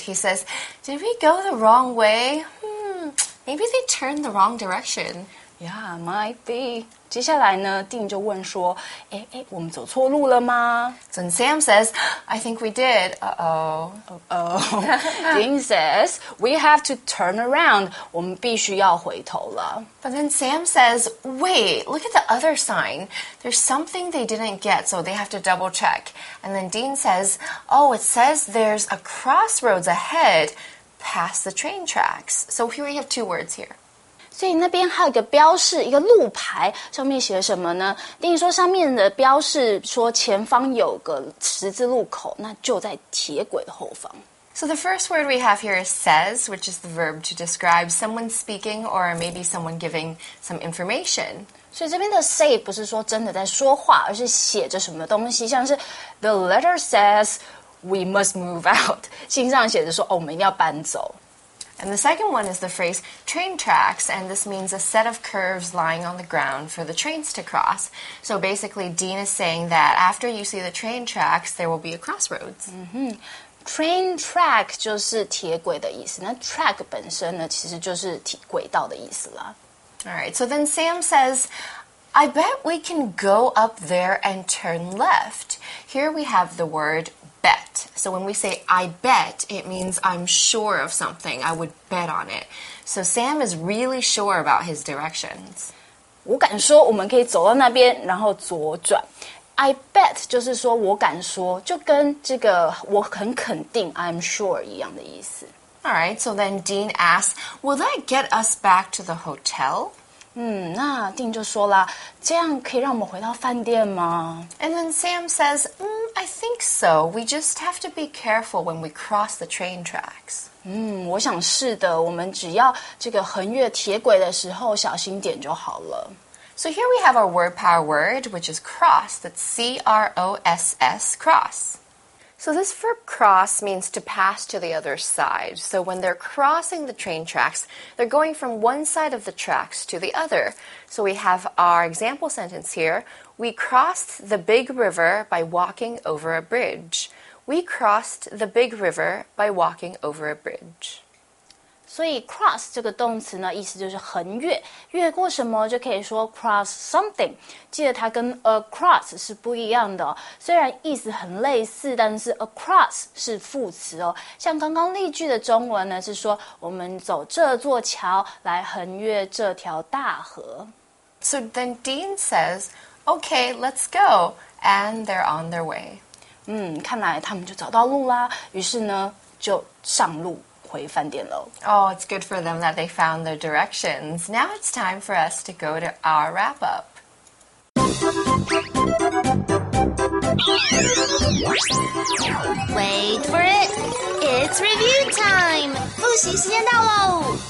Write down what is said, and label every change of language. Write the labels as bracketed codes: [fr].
[en] He says, "Did we go the wrong way? Maybe they turned the wrong direction." Yeah, might be. [zh] 接下来呢，丁就问说：“我们走错路了吗 [en] ？”So Sam says, "I think we did." Dean says, "We have to turn around." [zh] 我们必须要回头了。 [en] But then Sam says, "Wait, look at the other sign. There's something they didn't get, so they have to double check." And then Dean says, "Oh, it says there's a crossroads ahead, past the train tracks." So here we have two words here. [zh] 所以那边还有一个标示，一个路牌，上面写什么呢？丁说上面的标示说前方有个十字路口，那就在铁轨的后方。 [en] So the first word we have here is says, which is the verb to describe someone speaking or maybe someone giving some information. [zh] 所以这边的 say 不是说真的在说话，而是写着什么东西，像是 [en] the letter says we must move out. [zh] 信上写着说哦，我们一定要搬走。 [en] And the second one is the phrase train tracks, and this means a set of curves lying on the ground for the trains to cross. So basically, Dean is saying that after you see the train tracks, there will be a crossroads. [zh] Mm-hmm. Train track 就是铁轨的意思，那 track 本身呢，其实就是轨道的意思啦。 [en] All right, so then Sam says, I bet we can go up there and turn left. Here we have the word bet. So when we say I bet, it means I'm sure of something. I would bet on it. So Sam is really sure about his directions. [zh] 我敢说我们可以走到那边，然后左转。 [en] I bet [zh] 就是说我敢说，就跟这个我很肯定 [en] I'm sure [zh] 一样的意思。 [en] All right. So then Dean asks, "Will that get us back to the hotel?" [zh] 那Dean就说啦，这样可以让我们回到饭店吗 [en] ？And then Sam says. I think so. We just have to be careful when we cross the train tracks. [zh] 我想是的。我们只要这个横越铁轨的时候小心点就好了。 [en] So here we have our word power word, which is cross. That's C-R-O-S-S, cross. So this verb cross means to pass to the other side. So when they're crossing the train tracks, they're going from one side of the tracks to the other. So we have our example sentence here. We crossed the big river by walking over a bridge. We crossed the big river by walking over a bridge. [zh] 所以 cross 这个动词呢，意思就是横越，越过什么就可以说 cross something. 记得它跟 across 是不一样的、哦、虽然意思很类似，但是 across 是副词哦。像刚刚例句的中文呢，是说我们走这座桥来横越这条大河。 [en] So then Dean says,Okay, let's go. And they're on their way. [zh] 看来他们就找到路啦。于是呢，就上路回饭店喽。 [en] Oh, it's good for them that they found their directions. Now it's time for us to go to our wrap-up. Wait for it. It's review time. [zh] 复习时间到喽。